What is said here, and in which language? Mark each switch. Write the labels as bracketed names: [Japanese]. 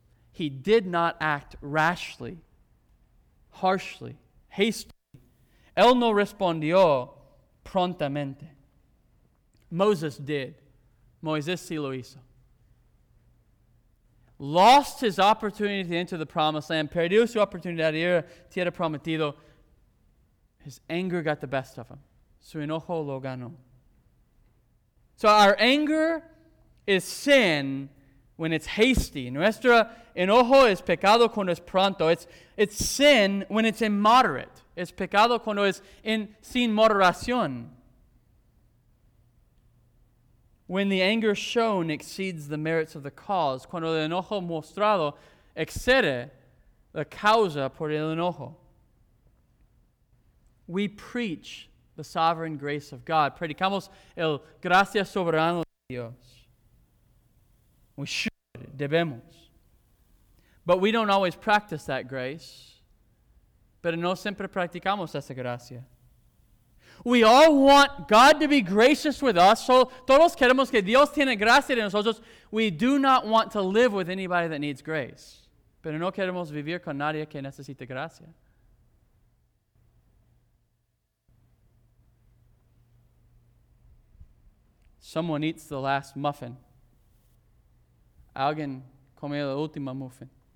[English] He did not act rashly, harshly, hastily. [Spanish] Él no respondió prontamente. [English] Moses did. [Spanish] Moisés sí lo hizo. [English] Lost his opportunity to enter the promised land. [Spanish] Perdió su oportunidad de ir a tierra prometido. [English] His anger got the best of him. [Spanish] Su enojo lo ganó. [English] So our anger is sin when it's hasty. [Spanish] Nuestro enojo es pecado cuando es pronto. [English] It's sin when it's immoderate. [Spanish] Es pecado cuando es sin moderación. [English] When the anger shown exceeds the merits of the cause. [Spanish] Cuando el enojo mostrado excede la causa por el enojo. [English] We preach the sovereign grace of God. [Spanish] Predicamos el gracia soberana de Dios. [English] We should, [Spanish] debemos. [English] But we don't always practice that grace. [Spanish] Pero no siempre practicamos esa gracia. [English] We all want God to be gracious with us. [Spanish] So todos queremos que Dios tiene gracia de nosotros. [English] We do not want to live with anybody that needs grace. [Spanish] Pero no queremos vivir con nadie que necesite gracia. [English] Someone eats the last muffin. [Spanish] Alguien come la última muffin.